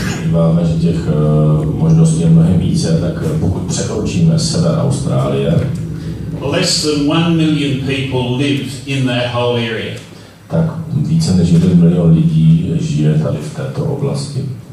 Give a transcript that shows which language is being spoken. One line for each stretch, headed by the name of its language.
Czech: Máme, že těch možností je mnohem více, tak pokud překročíme sever Austrálie.
English: Less than 1 million people live in that whole area.
Czech: Tak více než 1 milion lidí žije tady v této oblasti.